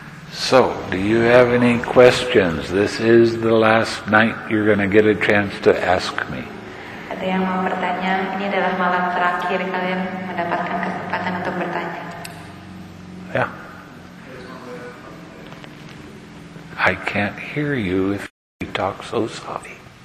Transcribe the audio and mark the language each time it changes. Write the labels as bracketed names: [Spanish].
[English] So, do you have any questions? This is the last night you're going to get a chance to ask me. [Indonesian] Ada yang mau bertanya? Ini adalah malam terakhir kalian mendapatkan kesempatan untuk bertanya. [English] Yeah. I can't hear you if you talk so softly.